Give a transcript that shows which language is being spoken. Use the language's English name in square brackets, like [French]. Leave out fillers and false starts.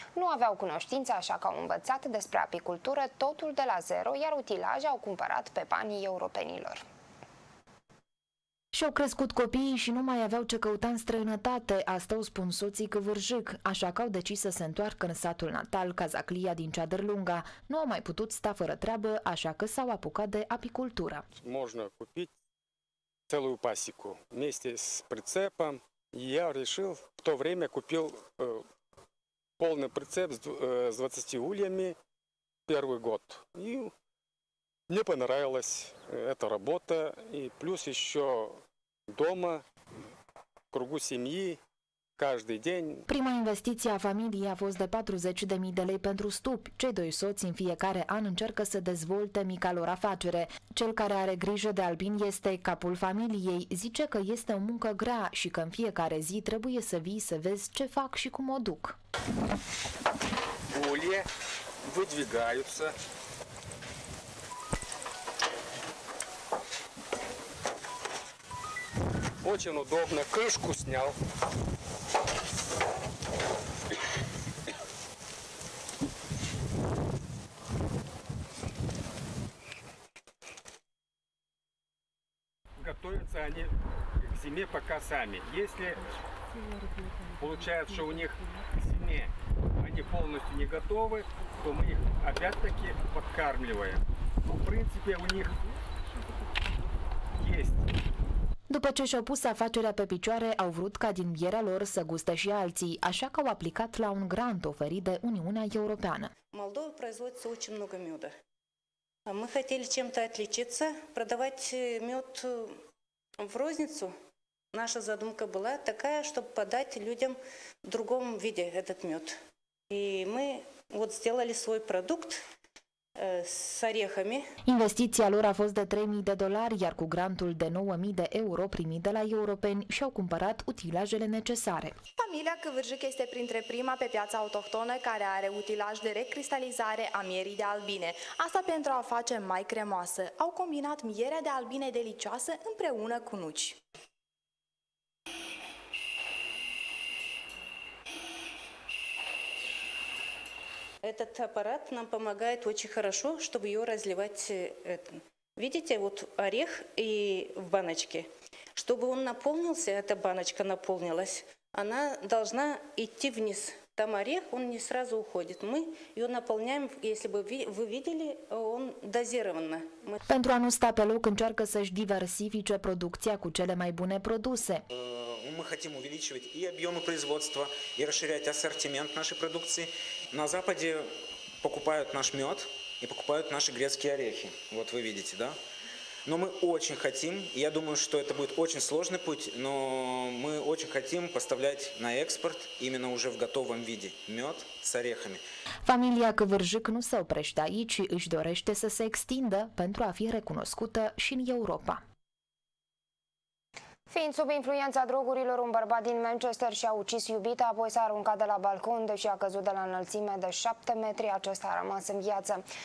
[Romanian] Nu aveau cunoștință, așa că au învățat despre apicultură totul de la zero, iar utilaje au cumpărat pe banii europenilor. Și-au crescut copiii și nu mai aveau ce căuta în străinătate, asta o spun soții Căvârșic, așa că au decis să se întoarcă în satul natal, Cazaclia din Ceadăr Lunga. Nu au mai putut sta fără treabă, așa că s-au apucat de apicultură. [Russian] Можно купить целую пасеку вместе с прицепом. Я решил в то время купил полный прицеп с 20 ульями первый год. И мне понравилась эта работа, и плюс еще дома, в кругу семьи. [Romanian] Prima investiție a familiei a fost de 40.000 de lei pentru stup. Cei doi soți în fiecare an încearcă să dezvolte mica lor afacere. Cel care are grijă de albin este capul familiei. Zice că este o muncă grea și că în fiecare zi trebuie să vii să vezi ce fac și cum o duc. [Russian] Ulie, vădvigaiu-se. Очень удобно. Крышку снял. Готовятся они к зиме пока сами. Если получается, что у них к зиме они полностью не готовы, то мы их опять-таки подкармливаем. Но в принципе у них есть. [Romanian] După ce și-au pus afacerea pe picioare, au vrut ca din mierea lor să guste și alții, așa că au aplicat la un grant oferit de Uniunea Europeană. Moldova produce foarte mult miod. Am vrut să facem ceva diferit, să prodăm miod în rozniță. [Russian] Наша задумка была такая, чтобы подать людям в другом виде этот мед. И мы вот сделали свой продукт. [Romanian] Investiția lor a fost de 3.000 de dolari, iar cu grantul de 9.000 de euro primit de la europeni și-au cumpărat utilajele necesare. Familia Căvârșic este printre prima pe piața autohtonă care are utilaj de recristalizare a mierii de albine. Asta pentru a o face mai cremoasă. Au combinat mierea de albine delicioasă împreună cu nuci. [Russian] Этот аппарат нам помогает очень хорошо, чтобы ее разливать. Видите, вот орех и в баночке. Чтобы он наполнился, эта баночка наполнилась, она должна идти вниз. Там орех, он не сразу уходит. Мы ее наполняем, если бы вы видели, он дозированно. [Romanian] Pentru a nu sta pe loc, încearcă să-și diversifice producția cu cele mai bune produse. [Russian] Мы хотим увеличивать и объемы производства, и расширять ассортимент нашей продукции. На Западе покупают наш мед и покупают наши грецкие орехи. Вот вы видите, да? Но мы очень хотим, я думаю, что это будет очень сложный путь, но мы очень хотим поставлять на экспорт именно уже в готовом виде мед с орехами. [Romanian] Familia Căvârșic nu se oprește aici, își dorește să se extindă pentru a fi recunoscută și în Europa. Fiind sub influența drogurilor, un bărbat din Manchester și-a ucis iubita, apoi s-a aruncat de la balcon, deși a căzut de la înălțime de 7 metri, acesta a rămas în viață.